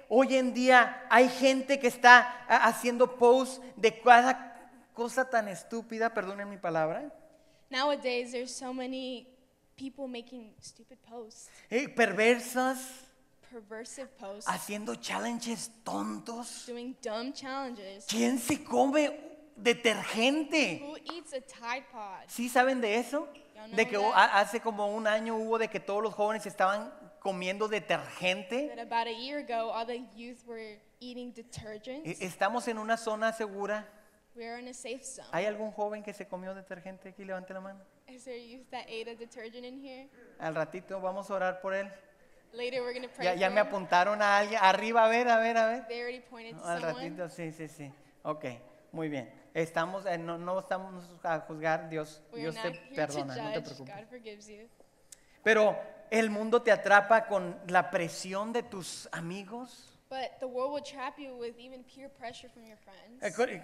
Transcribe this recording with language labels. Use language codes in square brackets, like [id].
[es] Hoy en día hay gente que está haciendo posts de cada cosa tan estúpida. Perdonen mi palabra. [en] Nowadays, there's so many people making stupid posts. [es] Perversas. [en] Perversive posts. [es] Haciendo challenges tontos. [en] Doing dumb challenges. [es] ¿Quién se come detergente? [en] Who eats a Tide Pod? [es] ¿Sí saben de eso? De que [en] that? [es] Hace como un año hubo de que todos los jóvenes estaban comiendo detergente. [en] That about a year ago, all the youth were eating detergents. [es] Estamos en una zona segura. [en] We are in a safe zone. [es] ¿Hay algún joven que se comió detergente aquí? Levante la mano. [en] Is there a youth that ate a detergent in here? [es] Al ratito vamos a orar por él. [en] Later we're going to pray. [es] Ya me apuntaron a alguien. Arriba, a ver. [en] They already pointed to someone. [es] Al ratito, sí. Okay, muy bien. Estamos, no estamos a juzgar. Dios te perdona, no te preocupes. [en] God forgives you. [es] Pero el mundo te atrapa con la presión de tus amigos. [en] But the world will trap you with even peer pressure from your friends.